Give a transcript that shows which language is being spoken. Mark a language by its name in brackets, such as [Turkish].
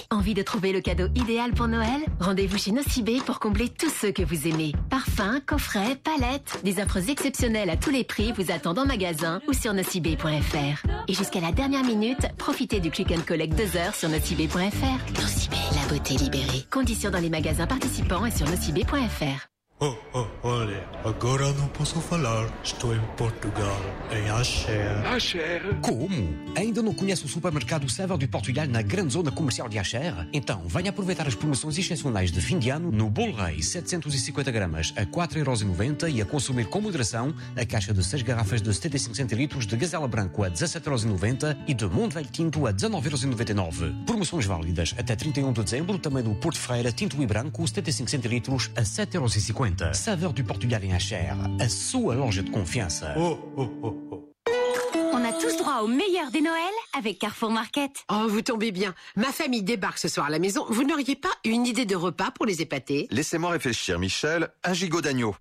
[French] Envie de trouver le cadeau idéal pour Noël? Rendez-vous chez Nocibé pour combler tous ceux que vous aimez. Parfums, coffrets, palettes, des offres exceptionnelles à tous les prix vous attendent en magasin ou sur nocibé.fr. Et jusqu'à la dernière minute, profitez du click and collect 2h sur nocibé.fr. Nocibé, la beauté libérée. Conditions dans les magasins participants et sur nocibé.fr. [Portuguese] Oh, olha, agora não posso falar. Estou em Portugal, em Acher. Acher? Como? Ainda não conhece o supermercado Saveur de Portugal na grande zona comercial de Acher? Então, venha aproveitar as promoções excepcionais de fim de ano no Bolo Rei 750 gramas a 4,90€ e a consumir com moderação a caixa de 6 garrafas de 75 centilitros de Gazela Branco a 17,90€ e de Mundo Velho Tinto a 19,99€. Promoções válidas até 31 de dezembro, também do Porto Ferreira Tinto e Branco 75 centilitros a 7,50€. [French] Saveur du Portugal en HR, à sous à l'ange de confiance. Oh, oh, oh, oh. On a tous droit au meilleur des Noëls avec Carrefour Market. Oh, vous tombez bien. Ma famille débarque ce soir à la maison. Vous n'auriez pas une idée de repas pour les épater? Laissez-moi réfléchir, Michel. Un gigot d'agneau.